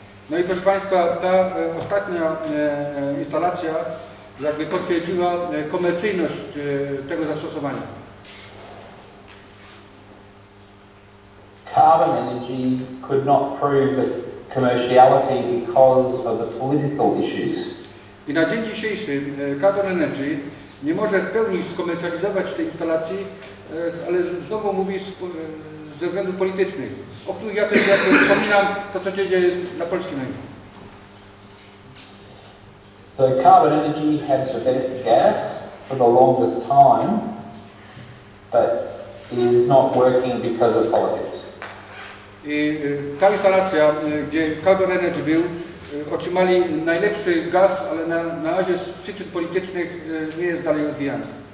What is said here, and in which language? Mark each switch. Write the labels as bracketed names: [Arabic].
[Polish] No i proszę Państwa, ta ostatnia instalacja jakby potwierdziła komercyjność tego zastosowania. [English] Carbon energy could not prove the commerciality because of the political issues. [Polish] I na dzień dzisiejszy Carbon Energy nie może w pełni skomercjalizować tej instalacji, ale znowu mówi ze względów politycznych, o których ja też jakby wspominam to, co się dzieje na polskim rynku. [English] So Carbon Energy has the best gas for the longest time, but is not working because of politics. [Polish] I ta instalacja, gdzie Carbon Energy był, otrzymali najlepszy gaz, ale na razie z przyczyn politycznych nie jest dalej rozwijany.